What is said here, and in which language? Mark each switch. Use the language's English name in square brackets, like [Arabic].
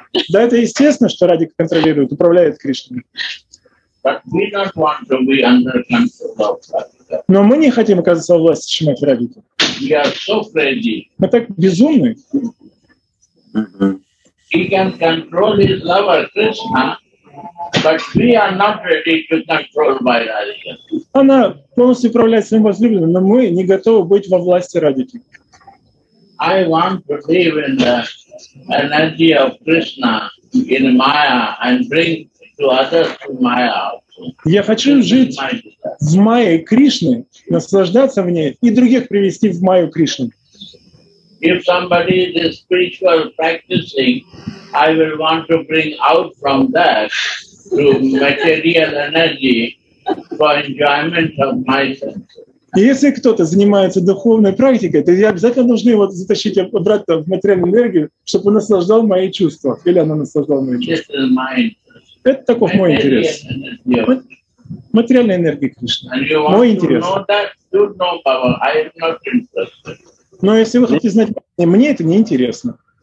[Russian] Да, это естественно, что Радика контролирует, управляет Кришной. [English] But we don't want to be under control of Radhika. [Russian] Но мы не хотим оказаться во власти Шримати Радхики. [English] We are so crazy. [Russian] Мы так безумны. [English] He can control his lover Krishna, but we are not ready to control by Radhika. [Russian] Она полностью управляет своим возлюбленным, но мы не готовы быть во власти Радхики. [English] I want to live in the energy of Krishna in Maya and bring to others to Maya also. [Russian] Я хочу жить в Майе Кришны, наслаждаться в ней и других привести в Майю Кришны. [English] If somebody is spiritual practicing, I will want to bring out from that through material energy for enjoyment of my senses. [Russian] Если кто-то занимается духовной практикой, то я обязательно должен его затащить обратно в материальную энергию, чтобы он наслаждал мои чувства. Или она наслаждала мои чувства. [English] This is my interest. [Russian] Это таков мой интерес. Материальная энергия, Кришна. Мой интерес. [English] And you want to know that, you know, Baba, I am not interested. [Russian] Но если вы хотите знать, мне это не интересно.